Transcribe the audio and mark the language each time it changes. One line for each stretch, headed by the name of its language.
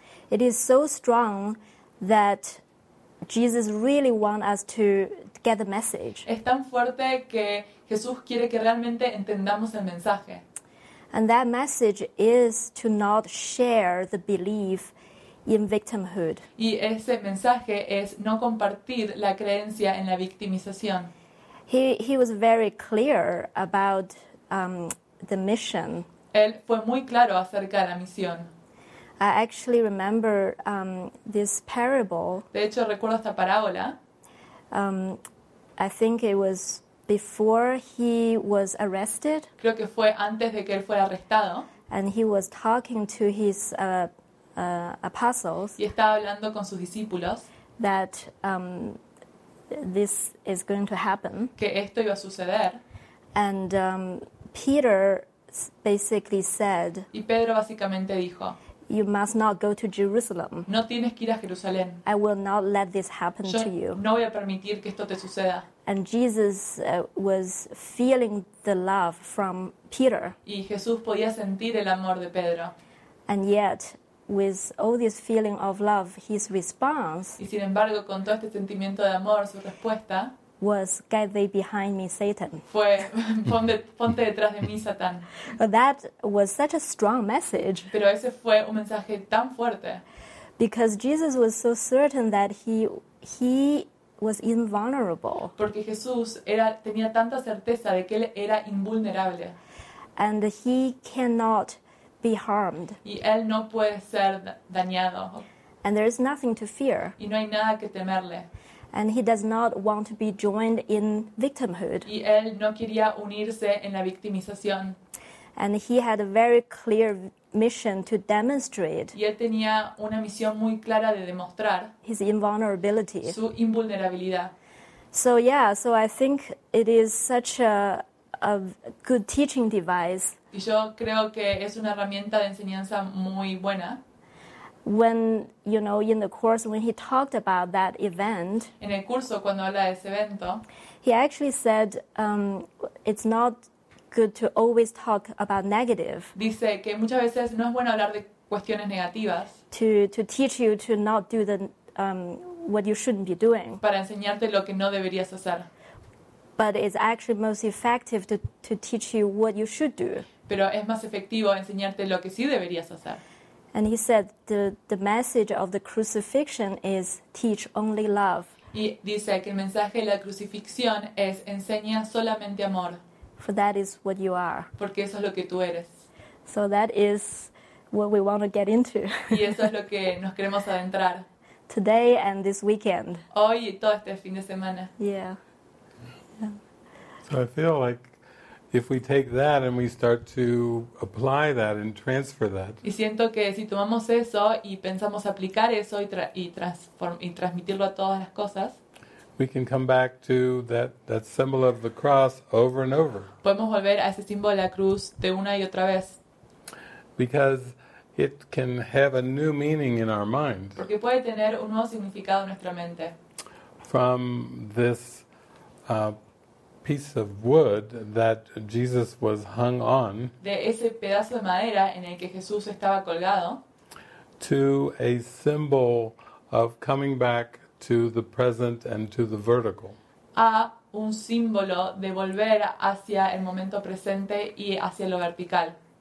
English: It is so strong that Jesus really wants us to get the message.
Spanish: Es tan fuerte que Jesús quiere que realmente entendamos el mensaje.
English: And that message is to not share the belief in victimhood.
Spanish: Y ese mensaje es no compartir la creencia en la victimización.
English: He was very clear about the mission.
Spanish: Él fue muy claro acerca de la misión.
English: I actually remember this parable.
Spanish: De hecho, recuerdo esta parábola.
English: I think it was before he was arrested.
Spanish: Creo que fue antes de que él fuera arrestado.
English: And he was talking to his apostles.
Spanish: Y estaba hablando con sus discípulos.
English: That this is going to happen.
Spanish: Que esto iba a suceder.
English: And Peter basically said,
Spanish: y Pedro básicamente dijo,
English: you must not go to Jerusalem.
Spanish: No tienes que ir a Jerusalén.
English: I will not let this happen
Spanish: yo
English: to you.
Spanish: No voy a permitir que esto te suceda.
English: And Jesus was feeling the love from Peter.
Spanish: Y Jesús podía sentir el amor de Pedro.
English: And yet, with all this feeling of love, his response,
Spanish: y sin embargo, con todo este sentimiento de amor, su respuesta,
English: was get thee behind me, Satan.
Spanish: Fue, ponte detrás de mí, Satán.
English: That was such a strong message.
Spanish: Pero ese fue un mensaje tan fuerte.
English: Because Jesus was so certain that he was invulnerable.
Spanish: Porque Jesús era, tenía tanta certeza de que él era invulnerable.
English: And he cannot be harmed.
Spanish: Y él no puede ser dañado.
English: And there is nothing to fear.
Spanish: Y no hay nada que temerle.
English: And he does not want to be joined in victimhood.
Spanish: Y él no quería unirse en la victimización.
English: And he had a very clear mission to demonstrate.
Spanish: Y él tenía una misión muy clara de demostrar
English: his invulnerability.
Spanish: Su invulnerabilidad.
English: So yeah, so I think it is such a good teaching device.
Spanish: Y yo creo que es una herramienta de enseñanza muy buena.
English: When, you know, in the course, when he talked about that event,
Spanish: en el curso, cuando habla de ese evento,
English: he actually said it's not good to always talk about negative.
Spanish: Dice que muchas veces no es bueno hablar de cuestiones negativas.
English: To teach you to not do the what you shouldn't be doing.
Spanish: Para enseñarte lo que no deberías hacer.
English: But it's actually most effective to teach you what you should do.
Spanish: Pero es más efectivo enseñarte lo que sí deberías hacer.
English: And he said the message of the crucifixion is teach only love.
Spanish: Y dice que el mensaje de la crucifixión es enseña solamente amor.
English: For that is what you are.
Spanish: Porque eso es lo que tú eres.
English: So that is what we want to get into.
Spanish: Y eso es lo que nos queremos adentrar.
English: Today and this weekend.
Spanish: Hoy y todo este fin de semana. Yeah. Yeah.
English: So I feel like if we take that and we start to apply that and transfer that.
Spanish: Y siento que si tomamos eso y pensamos aplicar eso y transmitirlo a todas las cosas.
English: We can come back to that symbol of the cross over and over.
Spanish: Podemos volver a ese símbolo de la cruz de una y otra vez.
English: Because it can have a new meaning in our mind.
Spanish: Porque puede tener un nuevo significado en nuestra mente.
English: From this piece of wood that Jesus was hung on,
Spanish: de ese pedazo de madera en el que Jesús estaba colgado,
English: to a symbol of coming back to the present and to the vertical,
Spanish: a un símbolo de volver hacia el momento presente y hacia lo vertical.